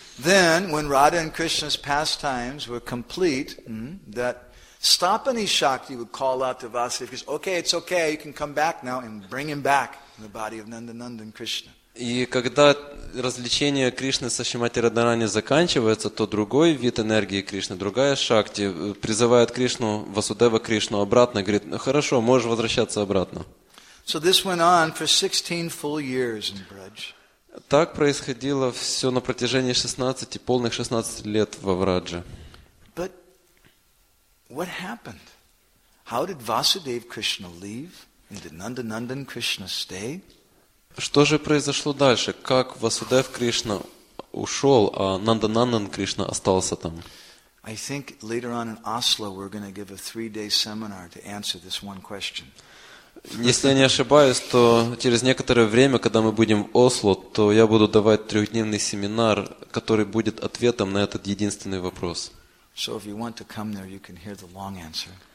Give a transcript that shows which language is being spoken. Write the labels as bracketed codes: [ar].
[en] Then, when Radha and Krishna's pastimes were complete, that Stapani Shakti would call out to Vasudev, because, okay, it's okay, you can come back now and bring him back in the body of Nandanandan Krishna. [ru] И когда развлечение Кришны со Шримати Радхарани заканчивается, то другой вид энергии Кришны, другая Шакти, призывает Кришну, Васудева Кришну обратно, говорит, хорошо, можешь возвращаться обратно. [en] So this went on for 16 full years in Braj. [ru] Так происходило все на протяжении 16, полных 16 лет во Врадже. [en] But what happened? How did Vasudev Krishna leave? And did Nandanandan Krishna stay? [ru] Что же произошло дальше? Как Васудев Кришна ушел, а Нандананан Кришна остался там? [en] I think later on in Oslo we're going to give a 3-day seminar to answer this one question. [ru] Если я не ошибаюсь, то через некоторое время, когда мы будем в Осло, то я буду давать 3-дневный семинар, который будет ответом на этот единственный вопрос. [en] So if you want to come there, you can hear the long answer.